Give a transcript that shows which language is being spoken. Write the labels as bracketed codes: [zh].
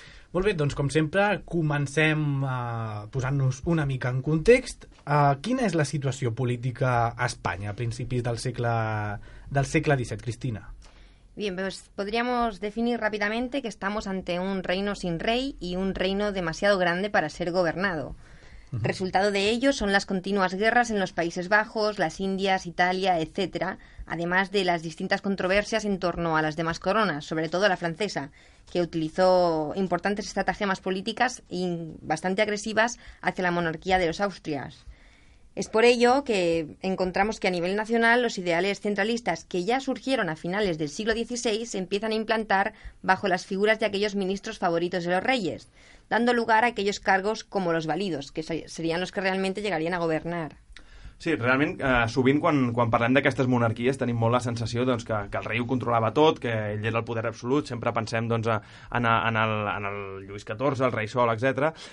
[ca] Molt bé, doncs com sempre comencem posant-nos una mica en context. Quina és la situació política a Espanya a principis del segle XVII, Cristina? [es] Bien, pues podríamos definir rápidamente que estamos ante un reino sin rey y un reino demasiado grande para ser gobernado. Resultado de ello son las continuas guerras en los Países Bajos, las Indias, Italia, etcétera, además de las distintas controversias en torno a las demás coronas, sobre todo la francesa, que utilizó importantes estratagemas políticas y bastante agresivas hacia la monarquía de los Austrias. Es por ello que encontramos que a nivel nacional los ideales centralistas que ya surgieron a finales del siglo XVI se empiezan a implantar bajo las figuras de aquellos ministros favoritos de los reyes, dando lugar a aquellos cargos como los válidos, que serían los que realmente llegarían a gobernar. [ca] Sí, realment, sovint quan parlem d'aquestes monarquies tenim molt la sensació doncs, que el rei ho controlava tot, que ell era el poder absolut, sempre pensem doncs, en el Lluís XIV, el rei Sol, etc.